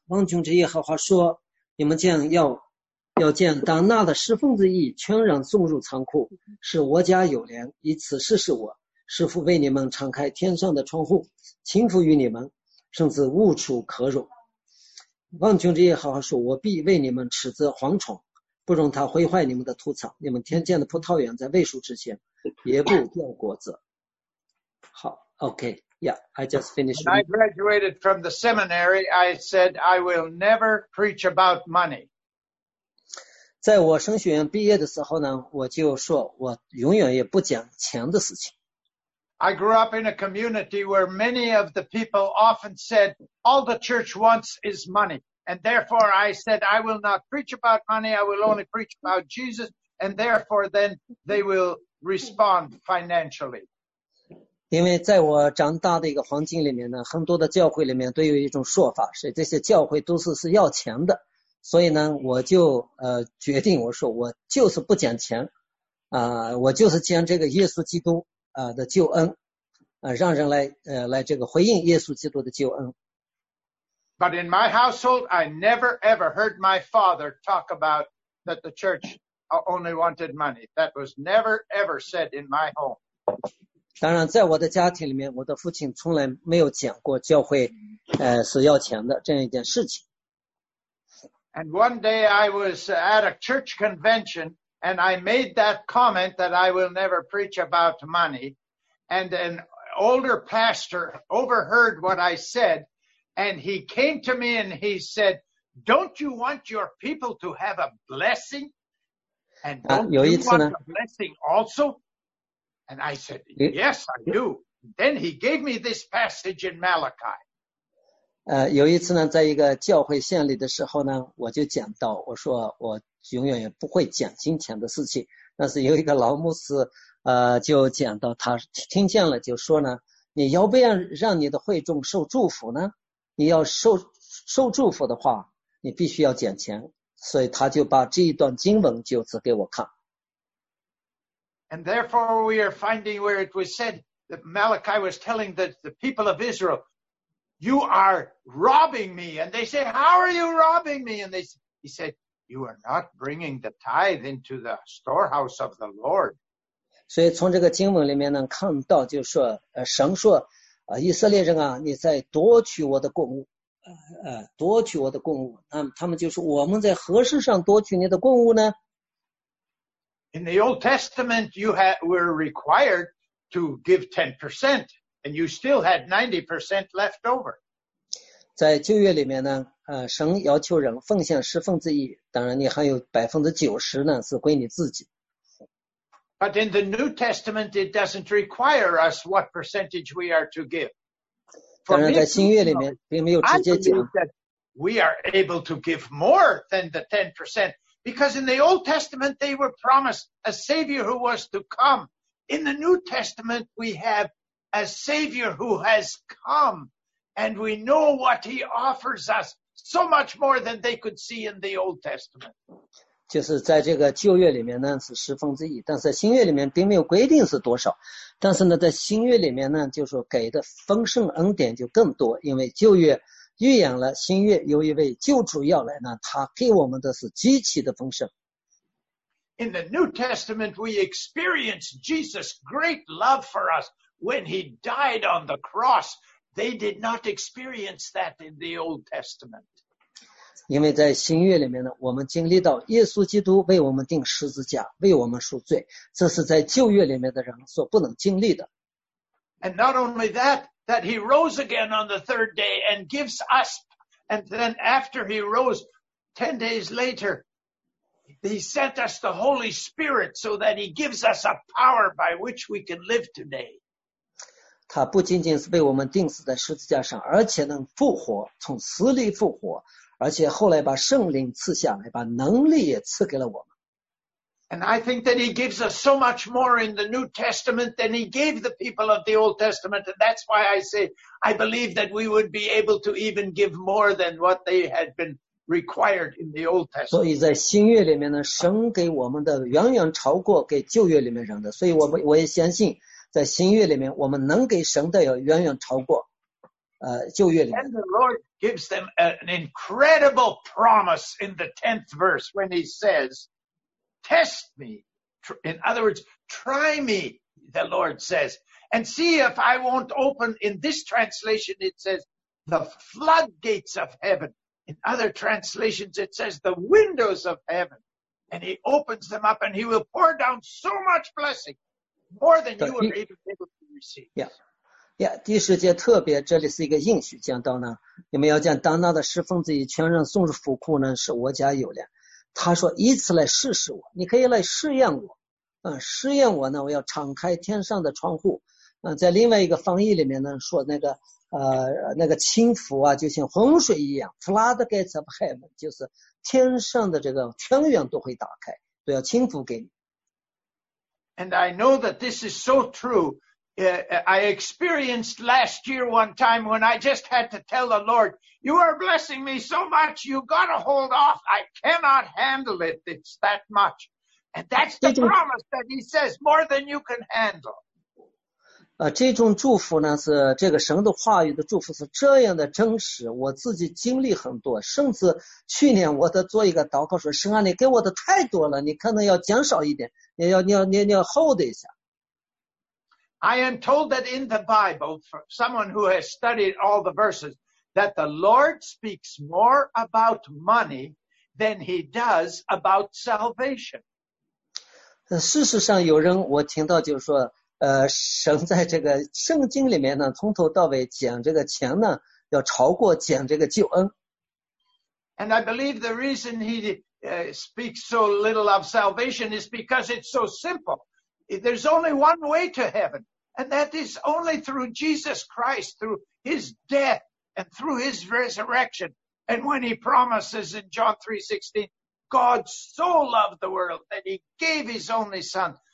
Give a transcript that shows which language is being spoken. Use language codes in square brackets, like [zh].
[zh] 万军之耶和华说，你们竟要见当纳的十分之一全然送入仓库，是我家有粮，以此试试我是否为你们敞开天上的窗户，倾覆于你们，甚至物处可容。万军之耶和华说，我必为你们斥责蝗虫，不容他毁坏你们的土草，你们天间的葡萄园在未熟之前也不掉果子。 [en] 好 ,OK, yeah, I just finished. When I graduated from the seminary, I said I will never preach about money. [zh] 在我神学院毕业的时候呢，我就说我永远也不讲钱的事情。 [en] I grew up in a community where many of the people often said, all the church wants is money. And therefore I said, I will not preach about money, I will only preach about Jesus. And therefore then they will respond financially. [zh] 因为在我长大的一个环境里面呢，很多的教会里面都有一种说法，是这些教会都是要钱的。所以呢，我就决定，我说我就是不讲钱，我就是讲这个耶稣基督。的救恩，让人来这个回应耶稣基督的救恩。 [en] But in my household, I never ever heard my father talk about that the church only wanted money. That was never ever said in my home. [zh] 当然，在我的家庭里面，我的父亲从来没有讲过教会，是要钱的这样一件事情。 [en] And one day I was at a church convention. And I made that comment that I will never preach about money. And an older pastor overheard what I said. And he came to me and he said, don't you want your people to have a blessing? And don't you want a blessing also? And I said, yes, I do. Then he gave me this passage in Malachi. [zh] 有一次呢，在一个教会献礼的时候呢，我就讲到，我说我永远也不会讲金钱的事情。但是有一个老牧师，就讲到，他听见了就说呢，你要不要让你的会众受祝福呢？你要受祝福的话，你必须要讲钱。所以他就把这一段经文就指给我看。 [en] And therefore we are finding where it was said that Malachi was telling the people of Israel,You are robbing me. And they say, how are you robbing me? And he said, you are not bringing the tithe into the storehouse of the Lord. [zh] 所以从这个经文里面呢，看到就是说，神说，以色列人啊，你在夺取我的供物，夺取我的供物。那他们就说，我们在何事上夺取你的供物呢？ [en] In the Old Testament, you were required to give 10%. And you still had 90% left over. [zh] 在旧约里面呢，神要求人奉献十分之一，当然你还有90%呢是归你自己。 [en] But in the New Testament, it doesn't require us what percentage we are to give. [zh] 当然在新约里面并没有直接讲。 [en] I believe that we are able to give more than the 10%, because in the Old Testament they were promised a Savior who was to come. In the New Testament, we have. A Savior who has come, and we know what He offers us so much more than they could see in the Old Testament. [zh] 就是在这个旧约里面呢是十分之一，但是新约里面并没有规定是多少。但是呢，在新约里面呢，就是给的丰盛恩典就更多，因为旧约预言了新约有一位救主要来呢，他给我们的是极其的丰盛。 [en] In the New Testament, we experience Jesus' great love for us. When he died on the cross, they did not experience that in the Old Testament. [zh] 因为在新约里面呢，我们经历到耶稣基督为我们钉十字架，为我们赎罪，这是在旧约里面的人所不能经历的。 [en] And not only that, that he rose again on the third day and gives us And then after he rose, 10 days later, he sent us the Holy Spirit so that he gives us a power by which we can live today. [zh] 他不仅仅是被我们钉死在十字架上，而且能复活，从死里复活，而且后来把圣灵赐下来，把能力也赐给了我们。 [en] And I think that he gives us so much more in the New Testament than he gave the people of the Old Testament. And that's why I say, I believe that we would be able to even give more than what they had been required in the Old Testament. [zh] 所以在新约里面呢，神给我们的远远超过给旧约里面人的。所以我也相信，在新约里面，我们能给神的要远远超过旧约里面。 [en] And the Lord gives them an incredible promise in the 10th verse when he says,Test me. In other words, try me, the Lord says, and see if I won't open. In this translation, it says, the floodgates of heaven. In other translations, it says, the windows of heaven. And he opens them up and he will pour down so much blessing, more than you are able to receive. [zh] Yeah, 第十节特别，这里是一个应许，讲到呢，你们要将当纳的十分之一全然送入府库呢，是我家有粮。他说：“以此来试试我，你可以来试验我，试验我呢，我要敞开天上的窗户，在另外一个翻译里面呢，说那个倾覆啊，就像洪水一样 ， [en] floodgates of heaven， [zh] 就是天上的这个泉源都会打开，都要倾覆给你。 [en] ”And I know that this is so true. I experienced last year one time when I just had to tell the Lord, you are blessing me so much, you gotta hold off. I cannot handle it. It's that much. And that's the promise that he says, more than you can handle. [zh] 这种祝福呢，是这个神的话语的祝福是这样的真实。我自己经历很多，甚至去年我都做一个祷告说，神啊，你给我的太多了，你可能要减少一点，你要 hold 一下。 [en] I am told that in the Bible, for someone who has studied all the verses, that the Lord speaks more about money than he does about salvation. [zh] 事实上有人我听到就是说神在这个圣经里面呢从头到尾讲这个钱呢要超过讲这个救恩。 [en] And I believe the reason he speaks so little of salvation is because it's so simple. There's only one way to heaven. And that is only through Jesus Christ, through his death and through his resurrection. And when he promises in John 3:16, God so loved the world that he gave his only son.